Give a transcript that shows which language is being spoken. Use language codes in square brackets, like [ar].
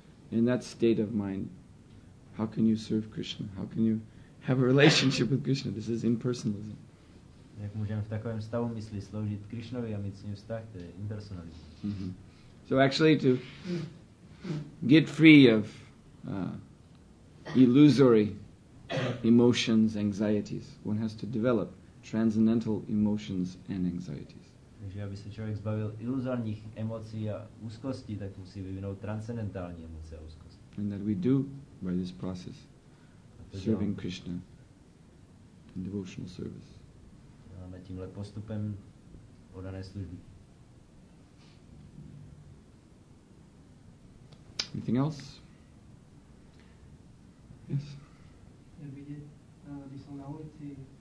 [en] In that state of mind, how can you serve Krishna? How can you have a relationship with Krishna? This is impersonalism. [cs] Jak můžeme v takovém stavu mysli sloužit Krishnovi a mít s ním vztah, to je impersonalism. [en] So actually to get free of illusory emotions, anxieties, one has to develop transcendental emotions and anxieties. [cs] Takže aby se člověk zbavil iluzorních emocí a úzkostí, tak musí vyvinout transcendentální emoce a úzkost. [en] And that we do by this process, serving Krishna in devotional service. [cs] Děláme tímhle postupem oddané služby. [en] Anything else? Yes? [cs] Je vidět, když jsou na ulici,